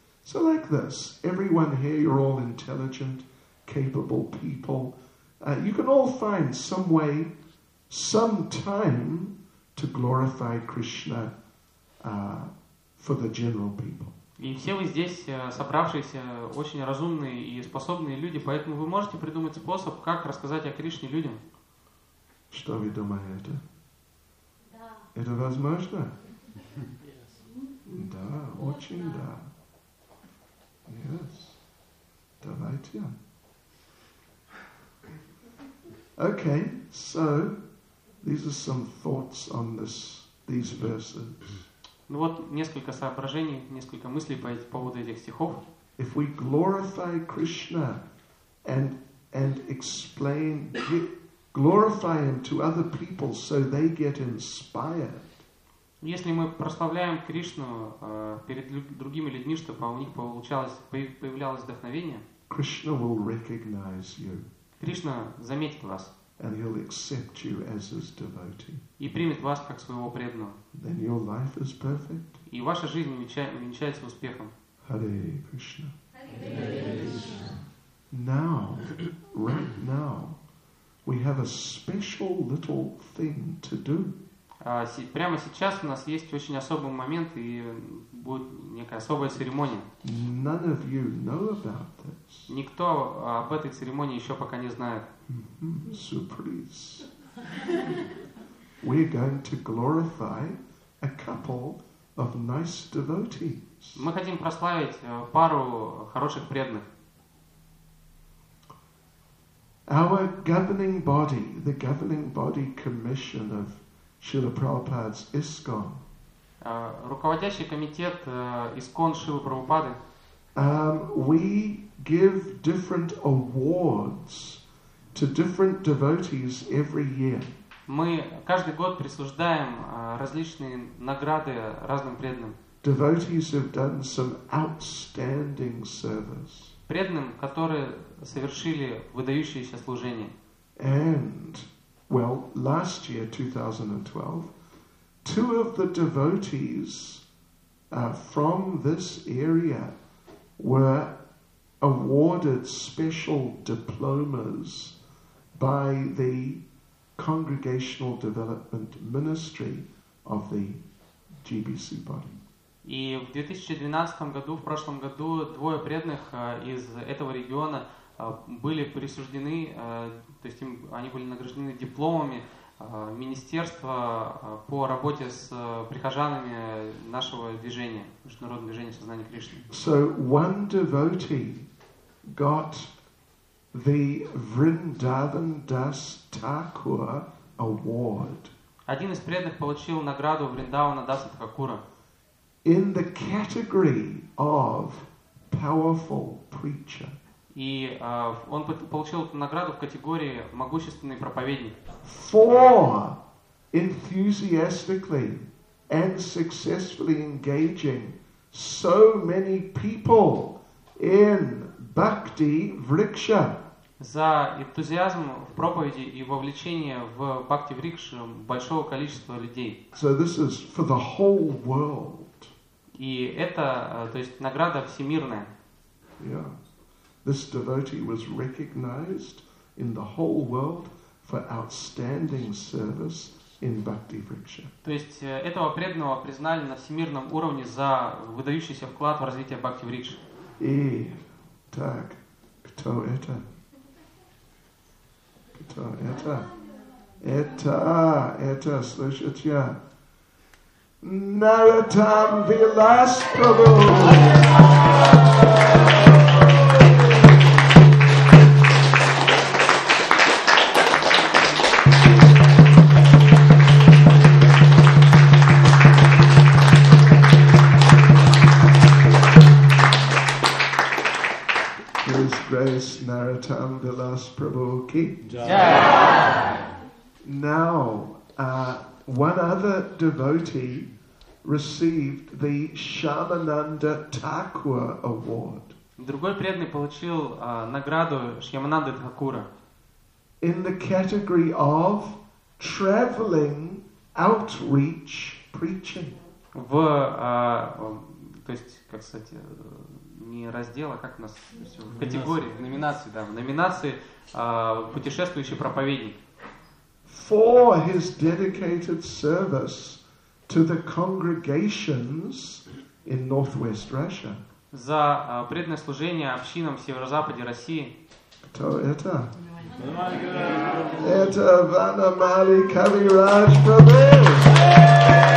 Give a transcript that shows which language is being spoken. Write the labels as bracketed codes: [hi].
[en] So like this, everyone here, you're all intelligent, capable people. You can all find some way, some time to glorify Krishna for the general people. [ru] И все вы здесь собравшиеся очень разумные и способные люди, поэтому вы можете придумать способ, как рассказать о Кришне людям. Что вы думаете? Да. Это возможно? [en] Yes. [ru] Да, очень да. Yes. Давайте. [en] Okay, so these are some thoughts on these verses. [ru] Ну вот несколько соображений, несколько мыслей по поводу этих стихов. [en] If we glorify Krishna and explain, glorify him to other people so they get inspired. [ru] Если мы прославляем Кришну перед другими людьми, чтобы у них появлялось вдохновение, [en] Krishna will recognize you. [ru] Кришна заметит вас. [en] And he'll accept you as his devotee. [ru] И примет вас как своего преданного. [en] Then your life is perfect. [ru] И ваша жизнь увенчается успехом. [en] Hare Krishna. Hare. Now, right now, we have a special little thing to do. [ru] Прямо сейчас у нас есть очень особый момент и будет некая особая церемония. [en] None of you know about this. [ru] Никто об этой церемонии еще пока не знает. [en] Surprise. We're going to glorify a couple of nice devotees. [ru] Мы хотим прославить пару хороших преданных. [en] Our governing body, the governing body commission of Srila Prabhupada's ISKCON. [ru] Руководящий комитет ISKCON Шрилы Прабхупады. [en] We give different awards to different devotees every year. [ru] Мы каждый год присуждаем различные награды разным преданным. [en] Devotees who've done some outstanding service. [ru] Преданным, которые совершили выдающееся служение. [en] And well, last year, 2012, two of the devotees from this area were awarded special diplomas by the Congregational Development Ministry of the GBC body. [ru] И в 2012 году, в прошлом году, двое преданных из этого региона были присуждены, то есть им, они были награждены дипломами министерства по работе с прихожанами нашего движения, международного движения сознания Кришны. [en] So one devotee got the Vrindavan Das Thakur award. [ru] Один из преданных получил награду Вриндавана Даса Такура. [en] In the category of powerful preacher. [ru] И он получил эту награду в категории могущественный проповедник. [en] For enthusiastically and successfully engaging so many people in bhakti vriksha. [ru] За энтузиазм в проповеди и вовлечение в бхакти врикшу большого количества людей. [en] So this is for the whole world. [ru] И это, то есть, награда всемирная. [en] Yeah. This devotee was recognized in the whole world for outstanding service in bhakti vriksha. [ru] То есть, этого преданного признали на всемирном уровне за выдающийся вклад в развитие бхакти врикши. И так, кто это? Кто это? Это, слышите? [en] Narottam Vilas Prabhu. His grace Narottam Vilas Prabhu ki. Now, one other devotee received the Shyamananda Thakur award. [ru] Другой преданный получил награду Шьямананды Такура. [en] In the category of traveling outreach preaching. [ru] В то есть, как сказать, не раздел, а как у нас в категории, в номинации, да, в номинации путешествующий проповедник. [en] For his dedicated service to the congregations in Northwest Russia. [ru] За преданное служение общинам в северо-западе России. Кто это? Это Ванамали Кавирадж Прабху.